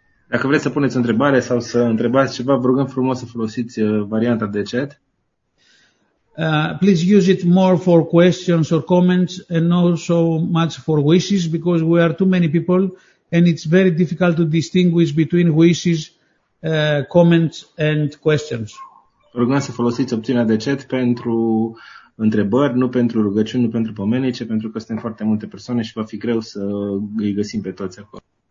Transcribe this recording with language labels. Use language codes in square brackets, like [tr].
[ro] Dacă vreți să puneți o întrebare sau să întrebați ceva, vă rugăm frumos să folosiți varianta de chat. [en] Please use it more for questions or comments and not so much for wishes because we are too many people and it's very difficult to distinguish between wishes, comments and questions. [ro] Vă rugăm să folosiți opțiunea de chat pentru întrebări, nu pentru rugăciuni, nu pentru pomenice, pentru că suntem foarte multe persoane și va fi greu să îi găsim pe toți acolo.